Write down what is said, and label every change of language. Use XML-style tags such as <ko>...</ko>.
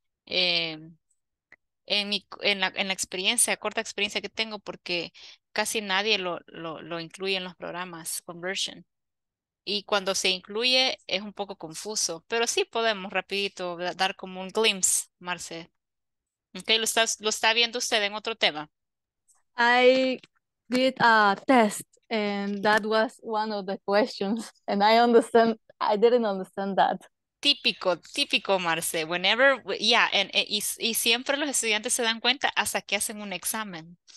<es>En la experiencia, corta experiencia que tengo, porque casi nadie lo incluye en los programas conversion, y cuando se incluye es un poco confuso, pero sí podemos rapidito dar como un glimpse, Marce. Okay, lo está viendo usted en otro tema.</es> <en>I did a test and that was one of the questions and I didn't understand that.</en> <es>Típico, típico, Marce. Whenever, y siempre los estudiantes se dan cuenta hasta que hacen un examen.</es>